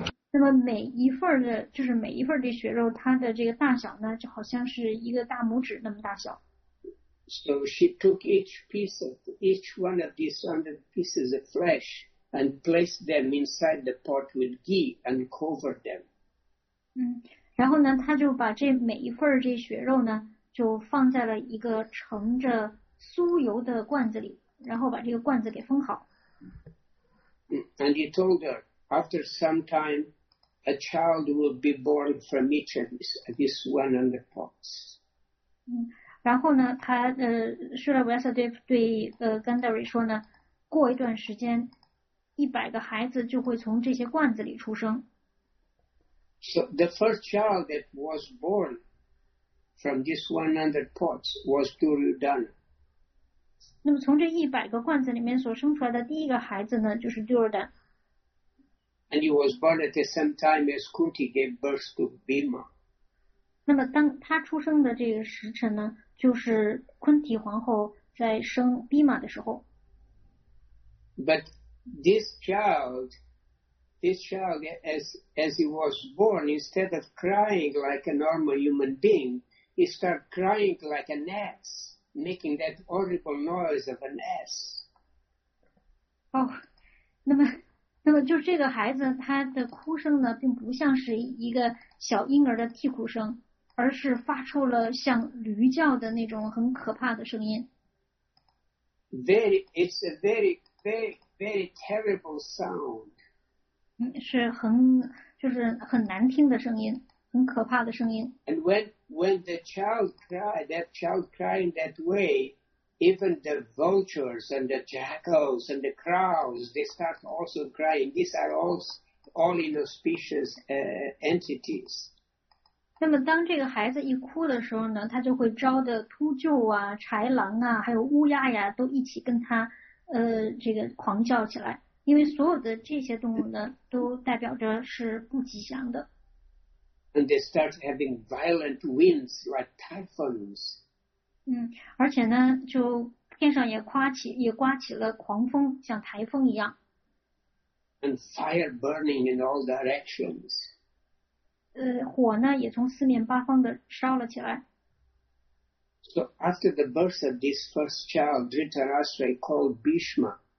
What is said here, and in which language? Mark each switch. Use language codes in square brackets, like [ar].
[zh] 那么每一份的，就是每一份的血肉，它的这个大小呢，就好像是一个大拇指那么大小。 [en] So she took each one of these 100 pieces of flesh and placed them inside the pot with ghee and covered them. [zh] 然后呢，她就把这每一份这血肉呢。就放在了一个盛着酥油的罐子里，然后把这个罐子给封好。 [en] And he told her, after some time, a child will be born from each of these 100 pots. [zh] 然后呢，他舍拉维亚萨德对Gandhari 说呢，过一段时间，100个孩子就会从这些罐子里出生。 [en] So the first child that was born. From this 100 pots was Duryodhana. [zh] 那么从这一百个罐子里面所生出来的第一个孩子呢，就是 Duryodhana. [en] And he was born at the same time as Kunti gave birth to Bhima. [zh] 那么当他出生的这个时辰呢，就是昆提皇后在生 Bhima 的时候。 [en] But this child, as he was born, instead of crying like a normal human being. He started crying like an ass, making that horrible noise of an ass. [zh] 那么就这个孩子，他的哭声呢，并不像是一个小婴儿的啼哭声，而是发出了像驴叫的那种很可怕的声音。 [en] It's a very, very, very terrible sound. [zh] 是很，就是很难听的声音。很可怕的声音。 [en] And when the child cried, that child crying that way, even the vultures and the jackals and the crows, they start also crying. These are all inauspicious entities. [zh] 那么当这个孩子一哭的时候呢，他就会招的秃鹫啊、豺狼啊，还有乌鸦呀，都一起跟他这个狂叫起来。因为所有的这些动物呢，都代表着是不吉祥的。 [en] And they start having violent winds like typhoons. [zh] 而且呢，就天上也刮起了狂风，像台风一样。 [en] And fire burning in all directions. [zh] 火呢也从四面八方的烧了起来。 [en] So after the birth of this first child, Dhritarashtra called Bhishma